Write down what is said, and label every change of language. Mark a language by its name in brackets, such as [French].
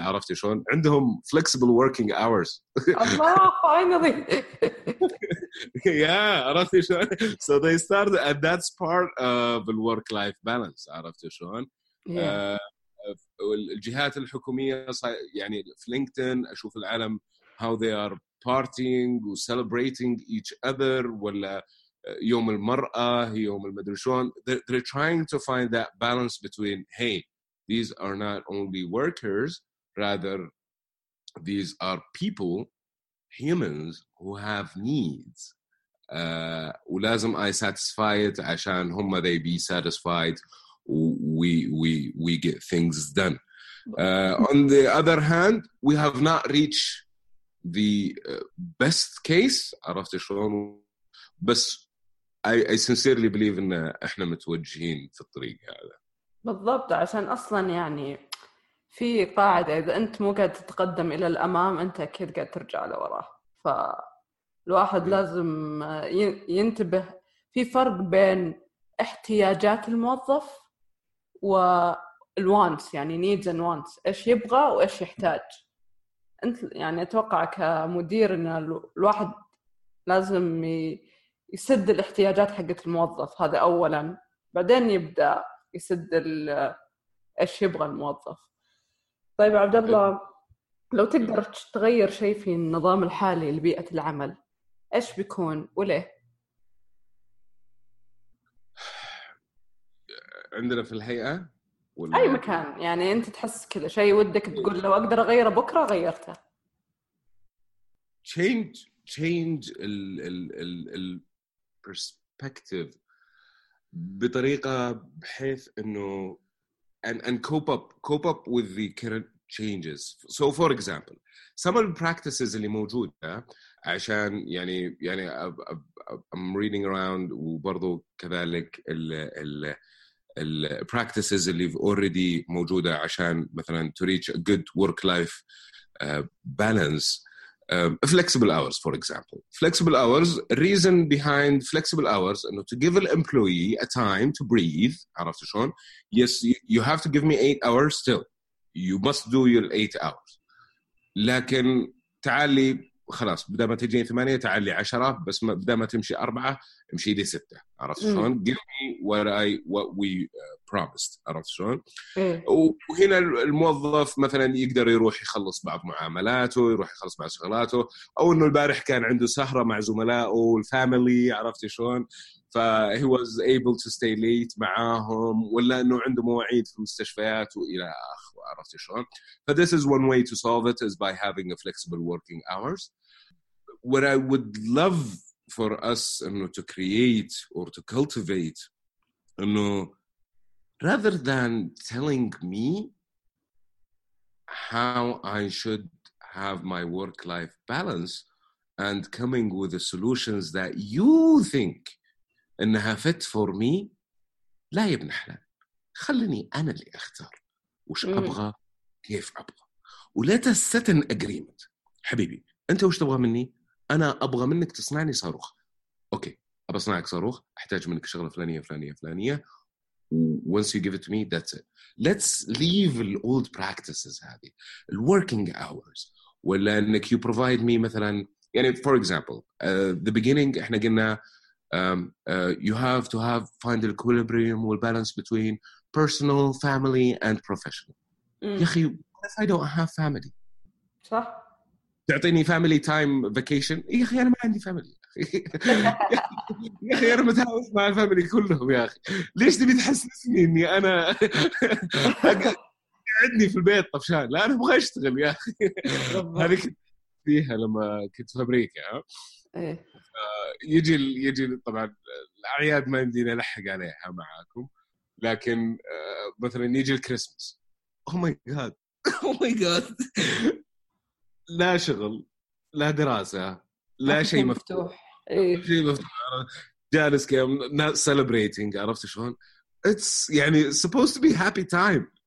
[Arabic] عرفت شلون؟ عندهم [English] flexible working hours. [Arabic] الله finally. [English] Yeah, [Arabic] عرفت شلون؟ [English] So they started and that's part of the work-life balance. [Arabic] عرفت شلون؟ الجهات الحكومية يعني في لينكدين أشوف العالم [English] how they are partying and celebrating each other, [Arabic] ولا يوم المرأة، يوم المدرشون. [English] They're trying to find that balance between, hey, these are not only workers, rather, these are people, humans, who have needs. [Arabic] ولازم [English] I satisfy it [Arabic] عشان هم [English] they be satisfied, we get things done. On the other hand, we have not reached the best case. [Arabic] عرفت شلون؟ بس [English] I sincerely believe [Arabic] ان احنا متوجهين في الطريق هذا بالضبط. عشان اصلا يعني في قاعده، اذا انت مو قاعد تتقدم الى الامام انت اكيد قاعد ترجع لورا. فالواحد لازم ينتبه، في فرق بين احتياجات الموظف والوانس، يعني [English] needs and wants، [Arabic] ايش يبغى وايش يحتاج. أنت يعني أتوقع كمدير إن الواحد لازم يسد الاحتياجات حقت الموظف هذا أولاً، بعدين يبدأ يسد إيش يبغى الموظف. طيب عبد الله، لو تقدر تغير شيء في النظام الحالي لبيئة العمل، إيش بيكون وليه؟ عندنا في الهيئة. أي مكان يعني أنت تحس كذا شيء ودك تقول لو أقدر أغيره بكرة غيرته. [English] Change ال perspective [Arabic] بطريقة بحيث إنه [English] and cope up with the current changes. So for example, some of the practices [Arabic] اللي موجودة عشان يعني [English] I'm reading around [Arabic] وبرضو كذلك ال [English] practices اللي already موجودة عشان مثلا to reach a good work-life balance. Flexible hours, for example. Flexible hours, reason behind flexible hours, you know, to give an employee a time to breathe, [Arabic] عرفت شلون? [English] Yes, you have to give me 8 hours still. You must do your 8 hours. [Arabic] لكن تعالي خلاص, بدأ ما تجيني 8, تعالي 10, بس بدأ ما تمشي 4, امشي لي 6, عرفت شلون? [English] Give me what we promised, [Arabic] عرفت شلون? وهنا الموظف مثلا يقدر يروح يخلص بعض معاملاته, يروح يخلص بعض شغلاته, او انه البارح كان عنده سهرة مع زملائه والفاميلي, عرفت شلون? ف [English] he was able to stay late [Arabic] معاهم, ولا انه عنده مواعيد في المستشفيات والى اخره, عرفت شلون? [English] ف this is one way to solve it is by having a flexible working hours. What I would love for us to create or to cultivate, rather than telling me how I should have my work-life balance and coming with the solutions that you think [Arabic] انها [English] fit for me, [Arabic] لا يا ابن حلال, خلني انا اللي اختار وش ابغى كيف ابغى. [English] Let us set an agreement. [Arabic] حبيبي انت وش تبغى مني؟ انا ابغى منك تصنعني صاروخ. اوكي ابى اصنعك صاروخ, احتاج منك شغله فلانيه فلانيه فلانيه. [English] Once you give it to me, that's it. Let's leave the old practices, [Arabic] هذه [English] working hours. [Arabic] ولا انك [English] you provide me [Arabic] مثلا, يعني [English] for example, the beginning [Arabic] احنا قلنا [English] you have to have find the equilibrium or balance between personal, family and professional. يا اخي if I don't have family, [Arabic] صح تعطيني family time vacation؟ يا اخي انا ما عندي family. يا اخي انا متهاوش مع الفاميلي كلهم يا اخي, ليش تبي تحسسني اني انا قاعدني في البيت طفشان؟ لا انا ابغى اشتغل يا اخي. هذه كنت فيها لما كنت في امريكا. يجي طبعا الاعياد ما عندي نلحق عليها معاكم, لكن مثلا يجي الكريسماس, او ماي جاد لا شغل لا دراسه لا شيء مفتوح. مفتوح. إيه. مفتوح جالس كم [English] not celebrating, [Arabic] عرفت شلون? [English] It's [Arabic] يعني [English] supposed to be happy time.